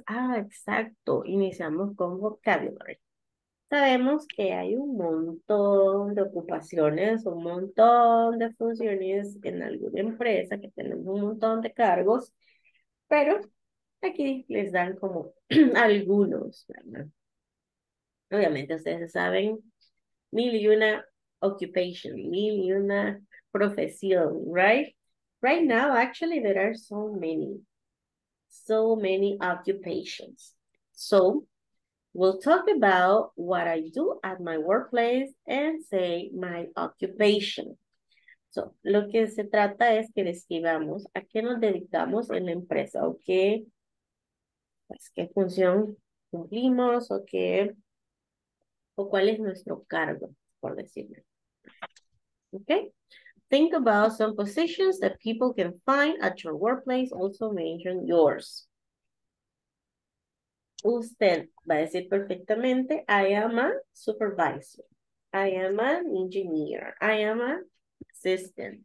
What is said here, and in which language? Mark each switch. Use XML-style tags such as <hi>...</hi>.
<es>Ah, exacto. Iniciamos con vocabulary. Sabemos que hay un montón de ocupaciones, un montón de funciones en alguna empresa que tenemos un montón de cargos, pero aquí les dan como algunos, ¿verdad? Obviamente ustedes saben mil y una occupation, mil y una profesión, right?</es> <en>Right now, actually, there are so many occupations. So, we'll talk about what I do at my workplace and say my occupation.</en> <es>So, lo que se trata es que describamos a qué nos dedicamos en la empresa, ¿ok? Pues, ¿qué función cumplimos o qué? ¿O cuál es nuestro cargo, por decirlo? ¿Ok?</es> <en>think about some positions that people can find at your workplace. Also mention yours.</en> <es>Usted va a decir perfectamente,</es> <en>I am a supervisor. I am an engineer. I am an assistant.</en>